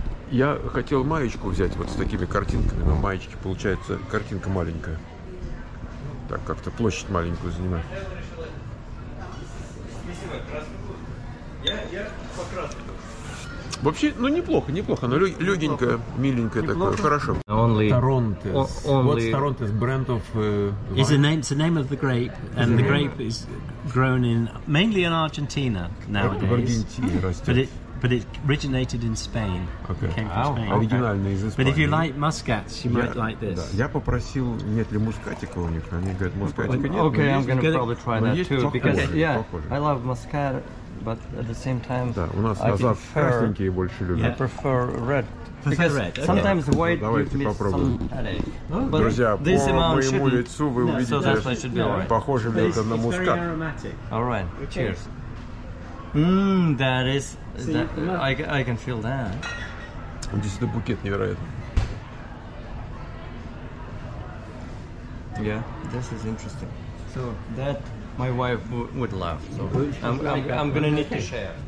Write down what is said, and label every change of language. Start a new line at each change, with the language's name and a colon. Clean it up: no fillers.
Russian: Я хотел маечку взять вот с такими картинками, но маечки получается картинка маленькая. Так как-то площадь маленькую занимает. Вообще, ну неплохо, неплохо, но легенькое, миленькое неплохо. Такое, хорошо.
English: Only Torontes. What's Torontes? Brand of is the name. It's the name of the grape, and the grape is grown in mainly in Argentina nowadays.
Russian: В Аргентине растет.
English: But it originated in Spain. Okay. It came from Spain. Okay.
Russian: Оригинально из Испании.
English: But if you like muscats, you might like this.
Russian: Да. Я попросил, нет ли мускатика у них, они говорят, мускатика нет.
English: Okay, I'm going to probably try that too, because I love muscat. But at the same time,
Russian: да, у нас назад красненькие больше любят.
English: I prefer red. Because red. Okay. Sometimes white gives me some headache. But
Russian: друзья,
English: this
Russian: по моему
English: shouldn't...
Russian: лицу вы увидите,
English: so right.
Russian: Похоже ли это на мускат.
English: All right. Okay. Cheers. Mmm, that is... That, I can feel that.
Russian: Здесь это букет невероятный.
English: Yeah, this is interesting. So that... My wife would laugh. So I'm gonna need to share.